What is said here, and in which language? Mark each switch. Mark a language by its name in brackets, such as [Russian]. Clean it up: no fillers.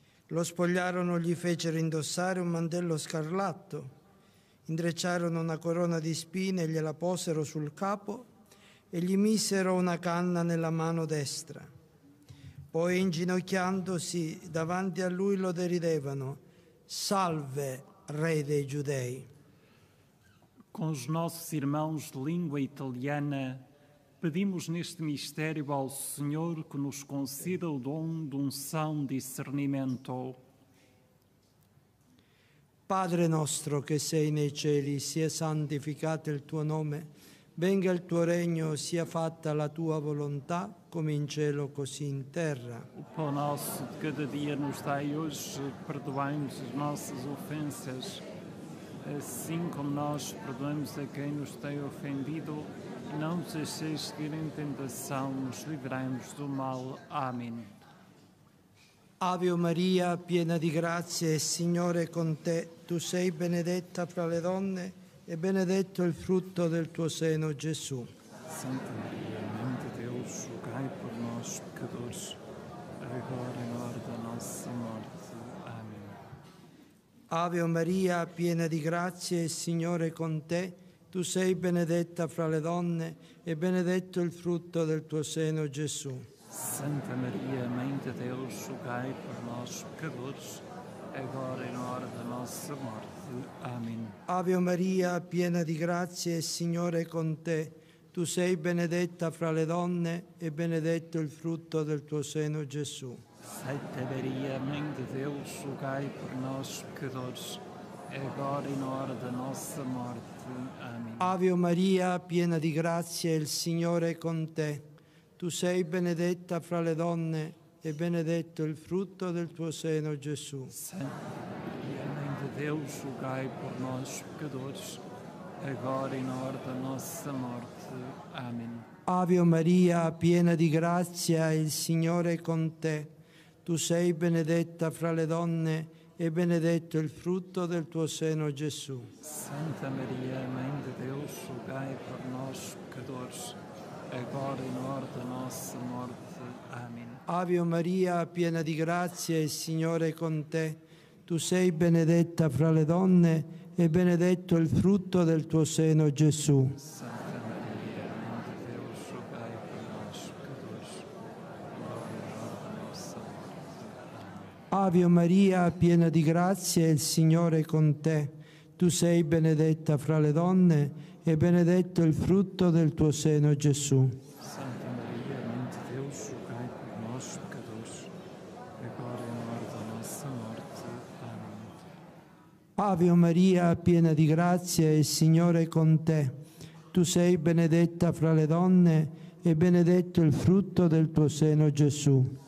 [Italian] Lo spogliarono, gli fecero indossare un mantello scarlatto, intrecciarono una corona di spine e gliela posero sul capo e gli misero una canna nella mano destra. Poi, inginocchiandosi davanti a lui, lo deridevano: Salve, re dei Giudei! [Portuguese] Con os nossos irmãos de língua italiana, pedimos neste mistério ao Senhor que nos conceda o dom de unção discernimento. [Italian] Padre nostro che sei nei cieli, sia santificato il tuo nome, venga il tuo regno, sia fatta la tua volontà, come in cielo, così in terra. [Portuguese] O pão nosso de cada dia nos dai hoje, perdoai-nos as nossas ofensas, assim como nós perdoamos a quem nos tem ofendido, não nos deixeis seguir em tentação, nos livrai-nos do mal. Amém. [Italian] Ave Maria, piena di grazie, Signore con te, tu sei benedetta fra le donne, e benedetto il frutto del tuo seno, Gesù. [Portuguese] Santa Maria, Mãe de Deus, rogai por nós, pecadores, agora e na hora da nossa morte. Amém. [Italian] Ave Maria, piena di grazie, il Signore è con te. Tu sei benedetta fra le donne, e benedetto il frutto del tuo seno, Gesù. [Portuguese] Santa Maria, Mãe de Deus, rogai por nós, pecadores, agora e na hora da nossa morte. Amém. [Italian] Ave Maria, piena di grazia, il Signore è con te. Tu sei benedetta fra le donne e benedetto il frutto del tuo seno, Gesù. [Portuguese] Santa Maria, Mãe de Deus, rogai por nós, pecadores, agora e na hora da nossa morte. Amém. [Italian] Ave Maria, piena di grazia, il Signore è con te. Tu sei benedetta fra le donne e benedetto il frutto del tuo seno, Gesù. [Portuguese] Santa Maria, Mãe de Deus, rogai por nós, pecadores, agora e na hora da nossa morte. Amém. [Italian] Ave Maria, piena di grazia, il Signore è con te. Tu sei benedetta fra le donne e benedetto il frutto del tuo seno, Gesù. [Portuguese] Santa Maria, Mãe de Deus, rogai por nós, pecadores, agora e na hora da nossa morte. Amém. [Italian] Ave Maria, piena di grazia, il Signore è con te. Tu sei benedetta fra le donne e benedetto il frutto del tuo seno, Gesù. [Portuguese] Santa Maria, Mãe de Deus, rogai per nós, pecadores, agora e na hora da nossa morte. [Italian] Ave Maria, piena di grazia, il Signore è con te. Tu sei benedetta fra le donne e benedetto il frutto del tuo seno, Gesù. [Portuguese] Santa Maria, Mãe de Deus, rogai per nós, pecadores, agora e na hora da nossa morte. Amém. [Italian] Ave Maria, piena di grazia, il Signore è con te. Tu sei benedetta fra le donne e benedetto il frutto del tuo seno, Gesù.